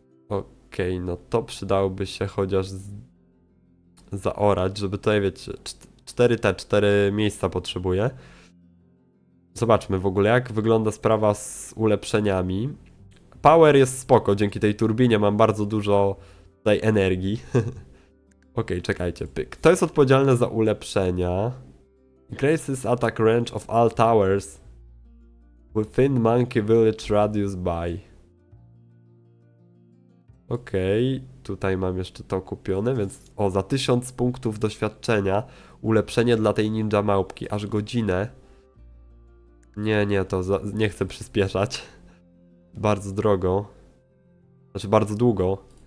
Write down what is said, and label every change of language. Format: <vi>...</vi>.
<pl>Okej, no to przydałoby się chociaż zaorać, żeby tutaj, wiecie, cztery miejsca potrzebuję. Zobaczmy w ogóle, jak wygląda sprawa z ulepszeniami. Power jest spoko, dzięki tej turbinie mam bardzo dużo tutaj energii. Okej, czekajcie, pyk. To jest odpowiedzialne za ulepszenia.</pl> <en>Increases attack range of all towers within Monkey Village radius by.</en> <pl>Okej, tutaj mam jeszcze to kupione, więc... O, za 1000 punktów doświadczenia ulepszenie dla tej ninja małpki, aż godzinę. Nie, to za... nie chcę przyspieszać. Bardzo drogo. Znaczy bardzo długo.</pl>